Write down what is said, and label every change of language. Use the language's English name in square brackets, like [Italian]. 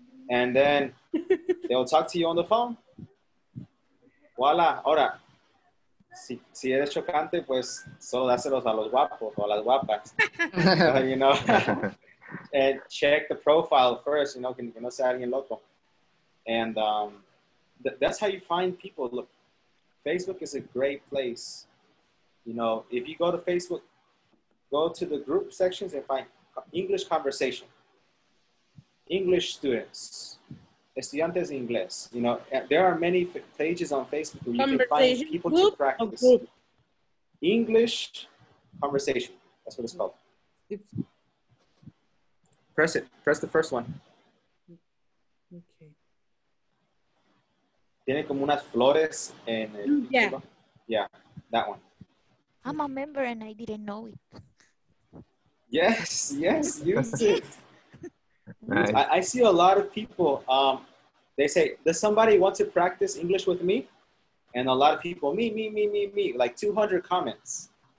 [English] And then they'll talk to you on the phone. Voila. [Spanish] Ahora, si eres chocante, pues solo dáselos a los guapos o a las guapas. [English] You know? And check the profile first, you know, [Spanish] que no sea alguien loco. [English] And that's how you find people. Look, Facebook is a great place. You know, if you go to Facebook, go to the group sections and find English conversation. English students. [Spanish] Estudiantes de inglés. [English] You know, there are many pages on Facebook where you can find people to practice. English conversation. That's what it's called. Press it. Press the first one. Okay. [Spanish] Tiene como unas flores en el. [English] Yeah. Yeah, that one. I'm a member and I didn't know it. Yes, use it. Nice. I see a lot of people. They say, does somebody want to practice English with me? And a lot of people, me, like 200 comments.